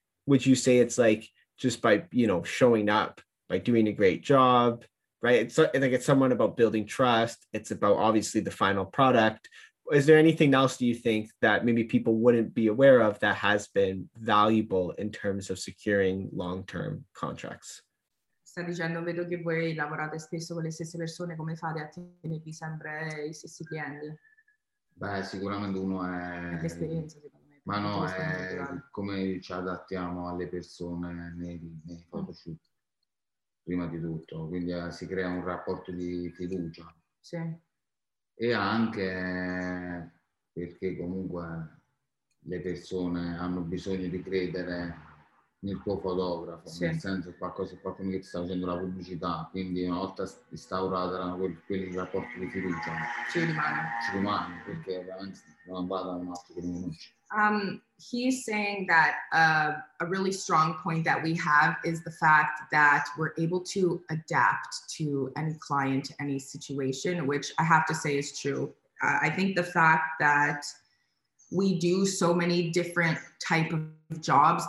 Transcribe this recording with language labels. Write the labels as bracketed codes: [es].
[en] Would you say it's like just by, you know, showing up, by doing a great job, right? It's like, it's someone about building trust. It's about obviously the final product. Is there anything else, do you think, that maybe people wouldn't be aware of that has been valuable in terms of securing long-term contracts? [it] Sta dicendo, vedo che voi lavorate spesso con le stesse persone, come fate a tenervi sempre I stessi clienti? Beh, sicuramente uno è... L'esperienza, secondo me. Ma no, è come ci adattiamo alle persone nei photoshoot. Prima di tutto, quindi si crea un rapporto di fiducia. Sì. E anche perché comunque le persone hanno bisogno di credere nel tuo fotografo, sì. Nel senso qualcuno che ti sta facendo la pubblicità, quindi una volta instaurata quel rapporto di fiducia. Ci rimane. Ci rimane, perché ovviamente non vada un altro che non conosce. [en] He's saying that a really strong point that we have is the fact that we're able to adapt to any client, any situation, which I have to say is true. I think the fact that we do so many different type of jobs.